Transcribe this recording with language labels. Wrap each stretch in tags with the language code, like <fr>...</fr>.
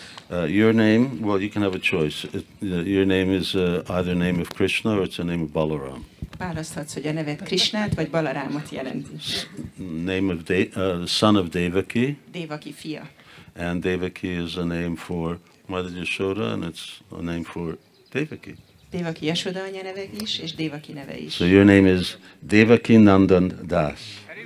<en>Your name, well, you can have a choice. Your name is either the name of Krishna or it's the name of Balaram.</en> <hu>Választhatsz, hogy a neved Krishnát vagy Balarámot jelenti.</hu> <en>Name of son of Devaki.</en> <hu>Devaki fia.</hu> <en>And Devaki is a name for Mother Yashoda, and it's a name for Devaki.</en> <hu>Devaki Yashoda anya neve is, és Devaki neve is.</hu> <en>So your name is Devaki Nandan Das.</en>